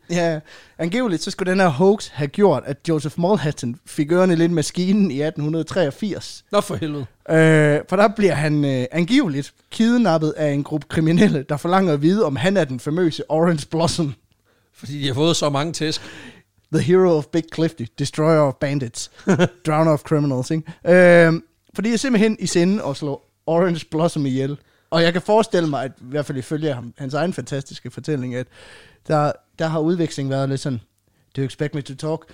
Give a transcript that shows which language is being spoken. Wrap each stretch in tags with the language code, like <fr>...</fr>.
<da>Ja, angiveligt så skulle den her hoax have gjort, at Joseph Mulhattan fik ørende lidt maskinen i 1883. Nå for helvede. For der bliver han angiveligt kidnappet af en gruppe kriminelle, der forlanger at vide, om han er den famøse Orange Blossom. Fordi de har fået så mange tæsk.</da> <en>The hero of Big Clifty, destroyer of bandits, drowner of criminals.</en> <da>Fordi jeg simpelthen i sinde at slå Orange Blossom ihjel. Og jeg kan forestille mig, at i hvert fald ifølge hans egen fantastiske fortælling, at der har udvekslingen været lidt sådan,</da> <en>do you expect me to talk?</en>